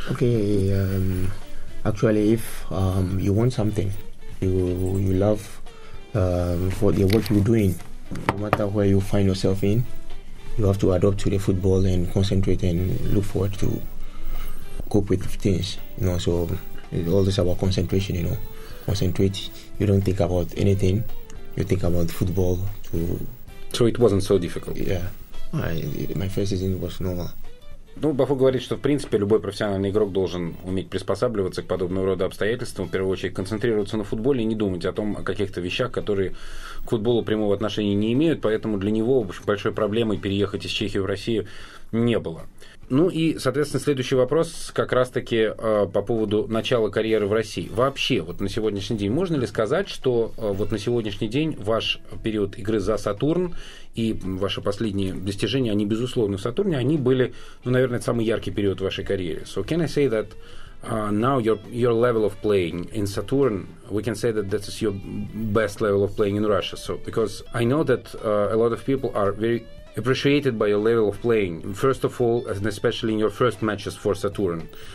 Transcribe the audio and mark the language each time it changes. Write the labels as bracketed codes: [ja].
[en] Okay, actually, if you want something, you love for the work you're doing, no matter where you find yourself in, you have to adapt to the football and concentrate and look forward to cope with things, you know. So it's all this about concentration, you know. Concentrate. You don't think about anything. You think about football. So it wasn't so difficult. Yeah. My first season was normal. [ru] Ну, Бафур говорит, что, в принципе, любой профессиональный игрок должен уметь приспосабливаться к подобного рода обстоятельствам, в первую очередь концентрироваться на футболе и не думать о том, о каких-то вещах, которые к футболу прямого отношения не имеют, поэтому для него, в общем, большой проблемой переехать из Чехии в Россию не было. Ну и, соответственно, следующий вопрос как раз-таки по поводу начала карьеры в России. Вообще, вот на сегодняшний день, можно ли сказать, что вот на сегодняшний день ваш период игры за «Сатурн» и ваши последние достижения, они, безусловно, в «Сатурне», они были, ну, наверное, самый яркий период в вашей карьере. [en] So can I say that now your level of playing in «Сатурн», we can say that that is your best level of playing in Russia? So because I know that a lot of people are very appreciated by your level of playing, first of all, and especially in your first matches for «Сатурн».